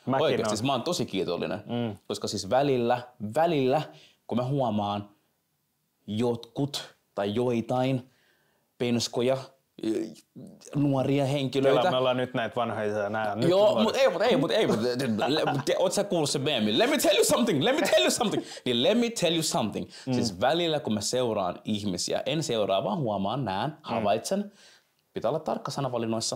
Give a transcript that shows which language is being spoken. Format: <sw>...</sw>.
<fi>Oikeasti siis mä oon tosi kiitollinen, koska siis välillä, kun mä huomaan jotkut tai joitain penskoja, nuoria henkilöitä. Kyllä, me ollaan nyt näitä vanhoja ja nyt. Joo, mutta ei. Ootko sä kuullut se meemi?</fi> <en>Let me tell you something. Niin let me tell you something.</en> <fi>Siis välillä, kun mä seuraan ihmisiä, en seuraa, vaan huomaan, näen, havaitsen. Pitää olla tarkka sanavalinnoissa.</fi>